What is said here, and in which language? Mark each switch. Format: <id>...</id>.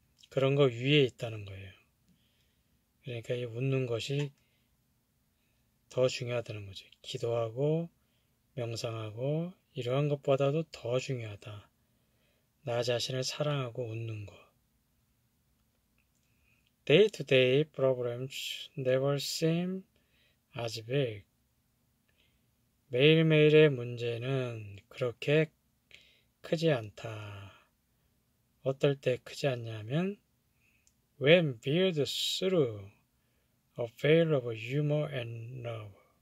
<ko>그런 거 위에 있다는 거예요. 그러니까 이 웃는 것이 더 중요하다는 거죠. 기도하고 명상하고 이러한 것보다도 더 중요하다. 나 자신을 사랑하고 웃는 것.</ko> <en>Day-to-day problems never seem as big.</en> <ko>매일매일의 문제는 그렇게 크지 않다. 어떨 때 크지 않냐면</ko> <en>When viewed through a veil of humor and love.</en>